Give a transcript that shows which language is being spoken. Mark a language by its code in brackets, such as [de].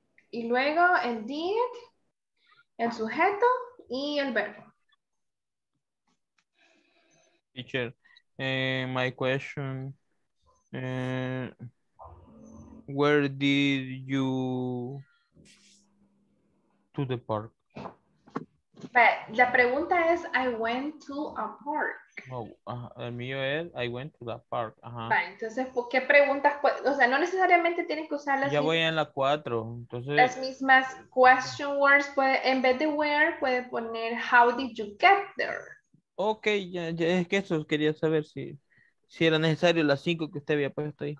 [es] Y luego el did, el sujeto y el verbo. [en] Teacher. My question, where did you to the park? But [es] la pregunta es, [en] I went to a park. [es] El mío es, [en] I went to the park. [es] Ajá. Vale, entonces, ¿qué preguntas? O sea, no necesariamente tienes que usar las ya mismas. Ya voy en la cuatro. Entonces, las mismas [en] question words, [es] puede, en vez de where, puede poner, [en] how did you get there? [es] Ok, ya es que eso quería saber si era necesario las cinco que usted había puesto ahí.